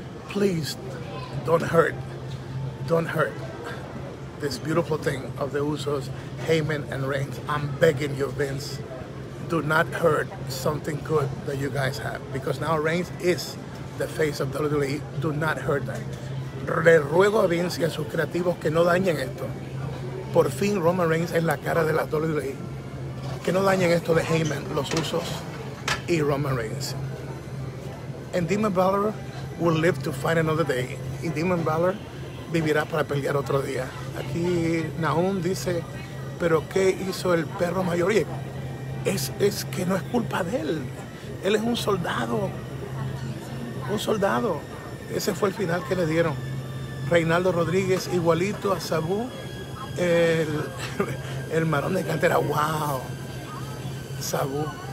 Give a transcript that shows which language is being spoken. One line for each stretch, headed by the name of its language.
English: Please, don't hurt this beautiful thing of the Usos, Heyman and Reigns. I'm begging you, Vince, do not hurt something good that you guys have, because now Reigns is the face of WWE. Do not hurt that.
Spanish: Le ruego a Vince y a sus creativos que no dañen esto. Por fin Roman Reigns es la cara de la WWE. Que no dañen esto de Heyman, los Usos y Roman Reigns.
English: And Demon Balor will live to fight another day.
Spanish: Y Demon Balor vivirá para pelear otro día. Aquí Nahum dice, pero ¿qué hizo el perro mayor? Y es que no es culpa de él. Él es un soldado. Un soldado. Ese fue el final que le dieron. Reinaldo Rodríguez, igualito a Sabu, el marrón de cantera. ¡Wow! Sabu.